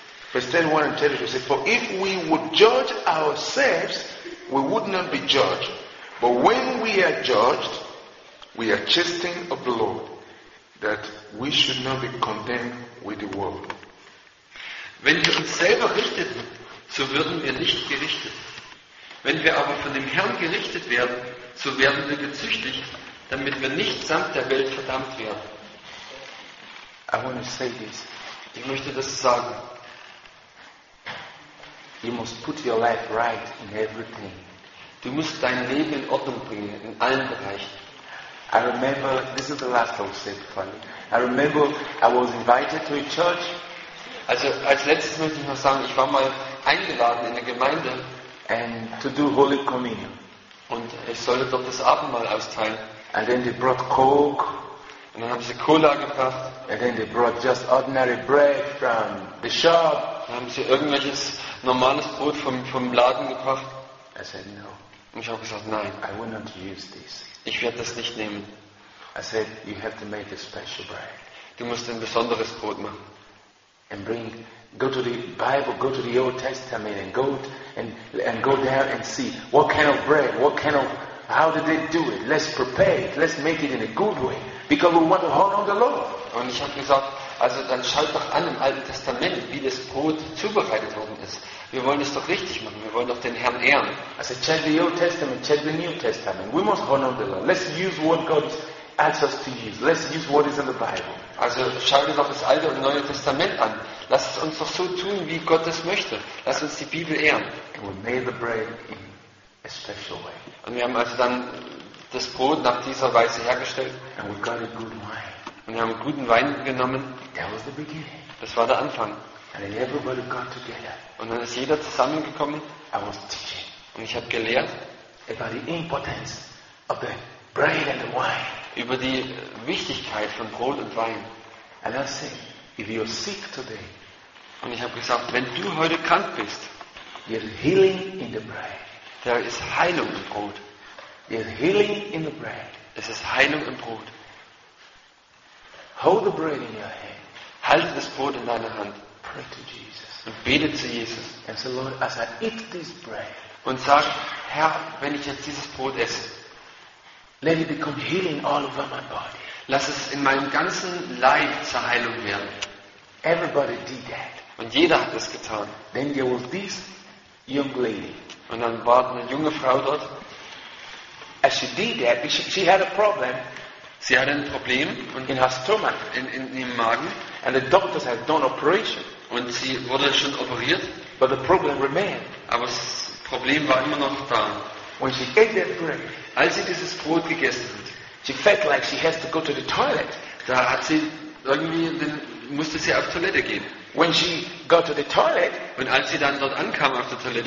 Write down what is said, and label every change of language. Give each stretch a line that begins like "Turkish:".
English: Verse 31 and 32 says, for if we would judge ourselves, we would not be judged. But when we are judged, we are chastened of the Lord, that we should not be condemned with the world.
German: Wenn wir uns selber richteten, so würden wir nicht gerichtet. Wenn wir aber von dem Herrn gerichtet werden, so werden wir gezüchtigt, damit wir nicht samt der Welt verdammt werden.
English: I want to say this.
German: Ich möchte das sagen.
English: You must put your life right in everything.
German: Du musst dein Leben in Ordnung bringen in allen Bereichen.
English: I remember, this is the last I'll say for you. I remember I was invited to a church.
German: Also als letztes möchte ich noch sagen, ich war mal eingeladen in eine Gemeinde
English: and to do Holy Communion.
German: Und ich sollte dort das Abendmahl austeilen.
English: And then they brought Coke.
German: Und dann haben sie Cola gebracht.
English: And then they brought just ordinary bread from the shop.
German: Dann haben sie irgendwelches normales Brot vom Laden gebracht.
English: I said no.
German: Und ich habe gesagt nein.
English: I will not use this.
German: Ich werde das nicht nehmen.
English: I said you have to make a special bread.
German: Du musst ein besonderes Brot machen.
English: And bring, go to the Bible, go to the Old Testament and go there and see what kind of bread, how did they do it? Let's prepare it. Let's make it in a good way. Because we want to honor the Lord.
German: Und ich habe gesagt, also dann schaut doch an im Alten Testament, wie das Brot zubereitet worden ist. Wir wollen es doch richtig machen. Wir wollen doch den Herrn ehren.
English: I said, check the Old Testament, check the New Testament. We must honor the Lord. Let's use what God asks us to use. Let's use what is in the Bible.
German: Also schau dir doch das Alte und Neue Testament an. Lass es uns doch so tun, wie Gott es möchte. Lass uns die Bibel ehren.
English: And we made the bread in a special way.
German: Und wir haben also dann das Brot nach dieser Weise hergestellt.
English: And we got a good wine.
German: Und wir haben guten Wein genommen.
English: That was the beginning.
German: Das war der Anfang.
English: And everybody got together.
German: Und dann ist jeder zusammengekommen.
English: I was teaching.
German: Und ich habe gelehrt
English: about the importance of the bread and the wine.
German: Über die Wichtigkeit von Brot und Wein.
English: And I said, if you're sick today,
German: und ich habe gesagt, wenn du heute krank bist,
English: there is healing in the bread. There is
German: Heilung im Brot.
English: There is healing in the bread.
German: Es ist Heilung im Brot.
English: Hold the bread in your hand.
German: Halte das Brot in deiner Hand.
English: Pray to Jesus.
German: Und bete zu Jesus.
English: And say, Lord, as I eat this bread.
German: Und sag, Herr, wenn ich jetzt dieses Brot esse,
English: let it become healing all over my body.
German: Lass es in meinem ganzen Leib zur Heilung werden.
English: Everybody did that.
German: Und jeder hat das getan.
English: Then there was this young lady.
German: Und dann war eine junge Frau dort.
English: As she did that, she had a problem.
German: Sie hatte ein Problem und
English: in her stomach,
German: in ihrem Magen,
English: and the doctors had done operation.
German: Und sie wurde schon operiert,
English: but the problem remained.
German: Aber das Problem war immer noch da.
English: When she ate that bread,
German: als sie dieses Brot gegessen hat,
English: she felt like she has to go to the toilet.
German: Da hat sie irgendwie, musste sie auf Toilette gehen.
English: When she got to the toilet,
German: und als sie dann dort ankam auf der Toilette,